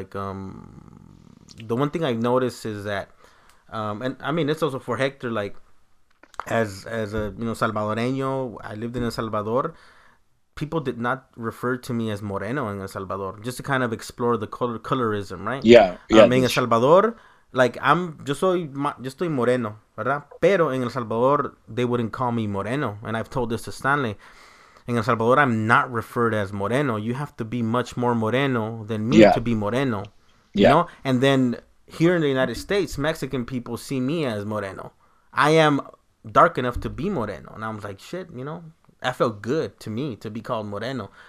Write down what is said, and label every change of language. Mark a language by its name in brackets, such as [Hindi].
[English] Like, the one thing I've noticed is that, and I mean, it's also for Hector, like, as a, Salvadoreño, I lived in El Salvador. People did not refer to me as Moreno in El Salvador, just to kind of explore the colorism, right? Yeah. In El Salvador, like, [Spanish] yo soy Moreno, ¿verdad? Pero [English] in El Salvador, they wouldn't call me Moreno. And I've told this to Stanley. In El Salvador, I'm not referred as Moreno. You have to be much more Moreno than me to be Moreno. And then here in the United States, Mexican people see me as Moreno. I am dark enough to be Moreno. And I was like, shit, that felt good to me to be called Moreno.